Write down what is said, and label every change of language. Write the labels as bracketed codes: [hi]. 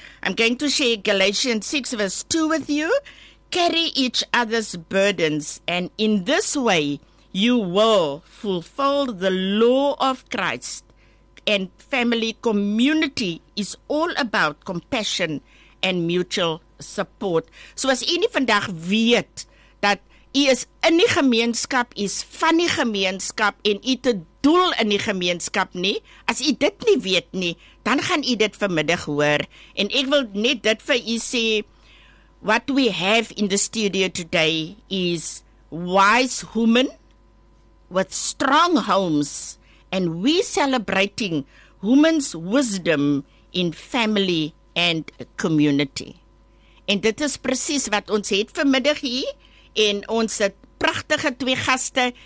[en] I'm going to share Galatians 6 verse 2 with you. Carry each other's burdens, and in this way, you will fulfill the law of Christ. And family community is all about compassion and mutual support. [af] So as jy vandag weet dat jy is in die gemeenskap, is van die gemeenskap en jy het 'n doel in die gemeenskap nie, as jy dit nie weet nie, dan gaan jy dit vanmiddag hoor. En ek wil net dit vir jy sê, [en] what we have in the studio today is wise women with strong homes, and we celebrating women's wisdom in family and community. [af] En dit is precies wat ons het vanmiddag hier, en ons het prachtige twee gasten.